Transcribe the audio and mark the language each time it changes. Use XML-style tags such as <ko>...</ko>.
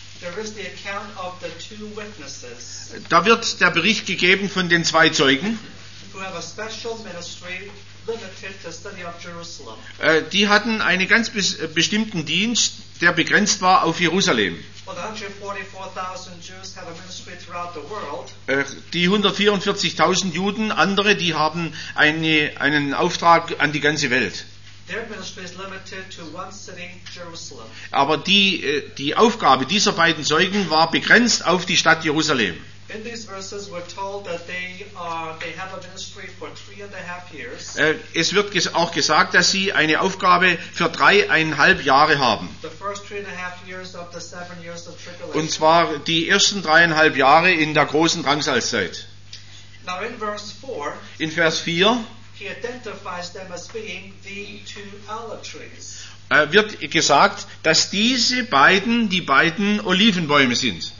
<en>there is the account of the two witnesses,</en> <de>da wird der Bericht gegeben von den zwei Zeugen,</de> <en>who have a special ministry limited to study of Jerusalem.</en> <de>Die hatten einen ganz bestimmten Dienst, der begrenzt war auf Jerusalem.</de> <en>Well, 144,000 Jews have a ministry throughout the world.</en> <de>Die 144,000 Juden, andere, die haben einen Auftrag an die ganze Welt.</de> <en>Their ministry is limited to one city, Jerusalem.</en> <de>Aber die Aufgabe dieser beiden Zeugen war begrenzt auf die Stadt Jerusalem.</de> <en>In these verses we're told that they have a ministry for 3.5 years.</en> <de>Es wird auch gesagt, dass sie eine Aufgabe für 3.5 Jahre haben.</de> <en>The first 3.5 years of the 7 years of tribulation.</en> <de>Und zwar die ersten 3.5 Jahre in der großen Drangsalszeit.</de> <en>Now in verse 4.</en> <de>In Vers 4.</de> <en>He identifies them as being the two olive trees.</en> <de>Wird gesagt, dass diese beiden die beiden Olivenbäume sind.</de>